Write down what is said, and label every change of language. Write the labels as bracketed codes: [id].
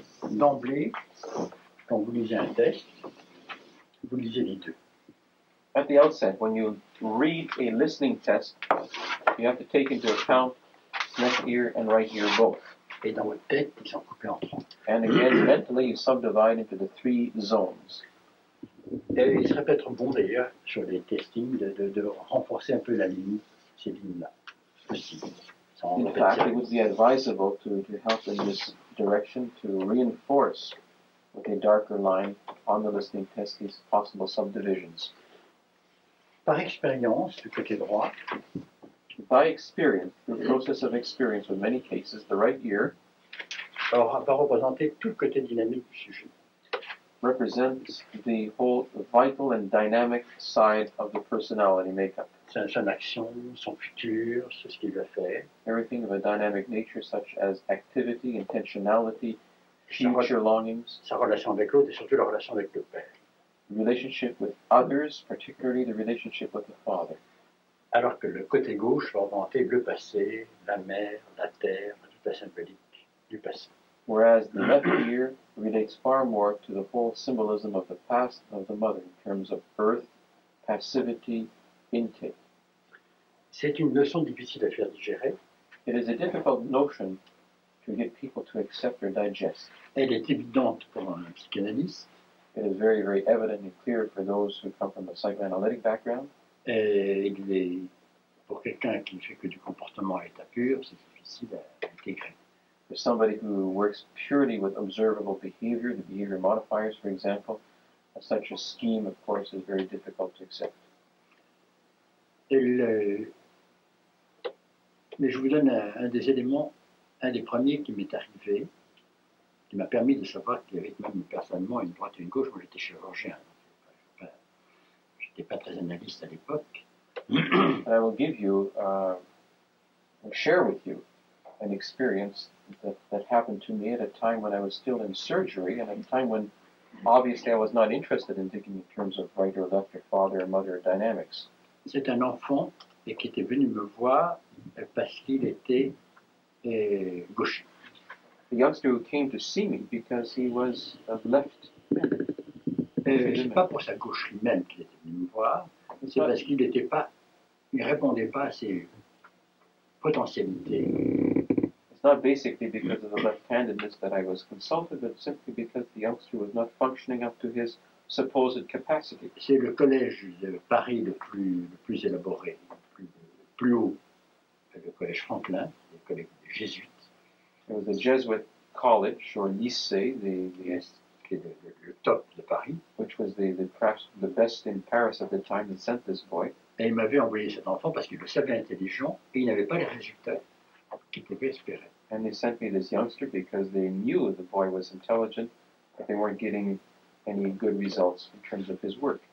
[fr] D'emblée, quand vous lisez un test, vous lisez les deux. [en] At the outset, when you read a listening test, you have to take into account left ear and right ear both. [fr] Et dans votre tête, ils sont coupés en trois. [en] And again, mentally, you subdivide into the three zones. [fr] Et il serait peut-être bon, d'ailleurs, sur les testings, de renforcer un peu la ligne, ces lignes-là. [en] In fact, it would be advisable to help in this direction to reinforce with a darker line on the listening test these possible subdivisions. [fr] Par expérience, du côté droit. [en] By experience, the process of experience with many cases, the right ear [fr] va représenter tout le côté dynamique du sujet. [en] Represents the whole vital and dynamic side of the personality makeup. [fr] C'est son action, son futur, c'est ce qu'il va faire. [en] Everything of a dynamic nature such as activity, intentionality, future longings. [fr] Sa relation avec l'autre et surtout la relation avec le père. [en] Relationship with others, particularly the relationship with the father. [fr] Alors que le côté gauche va augmenter le passé, la mer, la terre, toute la symbolique du passé. [en] Whereas the left ear relates far more to the whole symbolism of the past of the mother in terms of earth, passivity, intake. [fr] C'est une notion difficile à faire digérer. [en] It is a difficult notion to get people to accept or digest. [fr] Elle est évidente pour un psychanalyste. [en] It is very, very evident and clear for those who come from a psychoanalytic background. [fr] Pour quelqu'un qui ne fait que du comportement à l'état pur, c'est difficile à intégrer. [en] For somebody who works purely with observable behavior, the behavior modifiers, for example, such a scheme, of course, is very difficult to accept. [fr] Mais je vous donne un des éléments, un des premiers qui m'est arrivé, qui m'a permis de savoir qu'il y avait même personnellement une droite et une gauche. Moi, j'étais chirurgien. J'étais pas très analyste à l'époque. [en] I will give you, share with you, an experience that happened to me at a time when I was still in surgery and at a time when Obviously, I was not interested in thinking in terms of right or left or father or mother dynamics. [fr] C'est un enfant et qui était venu me voir parce qu'il était gaucher. [en] The youngster who came to see me because he was of left. [fr] C'est pas pour sa gauche lui-même qu'il était venu me voir. C'est parce qu'il n'était pas, il répondait pas à ses potentialités. [en] It's not basically because of the left-handedness that I was consulted, but simply because the youngster was not functioning up to his supposed capacity. [fr] C'est le collège de Paris le plus élaboré, le plus haut, le collège Franklin, le collège des Jésuites. [en] It was a Jesuit college or lycée, [fr] le top de Paris, [en] which was the best in Paris at the time, that sent this boy. [fr] Et il m'avait envoyé cet enfant parce qu'il le savait intelligent et il n'avait pas les résultats qu'il pouvait espérer. [en] And they sent me this youngster because they knew the boy was intelligent, but they weren't getting any good results in terms of his work.